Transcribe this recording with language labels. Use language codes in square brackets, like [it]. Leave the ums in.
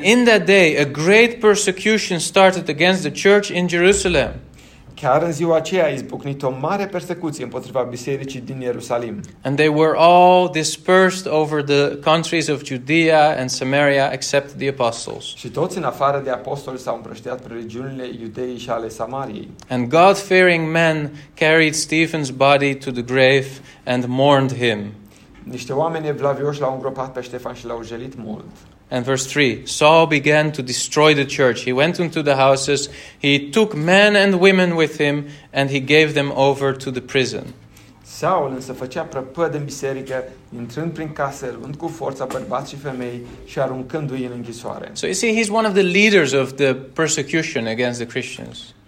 [en] in that day a great persecution started against the church in Jerusalem. [ro] Chiar în ziua aceea a izbucnit o mare persecuție împotriva bisericii din Ierusalim. [en] And they were all dispersed over the countries of Judea and Samaria except the apostles. [ro] Și toți în afară de apostoli s-au împrăștiat pe regiunile Iudeii și ale Samariei. [en] And God-fearing men carried Stephen's body to the grave and mourned him. [ro] Niște oameni evlavioși l-au îngropat pe Ștefan și l-au jelit mult. [en] And verse 3 Saul began to destroy the church. He went into the houses, he took men and women with him, and he gave them over to the prison. [ro] Saul însă făcea prăpăd în biserică, intrând prin casă, luând cu forța bărbați și femei și aruncându-i în închisoare. [en] So you see, he's one of the leaders of the persecution against the Christians.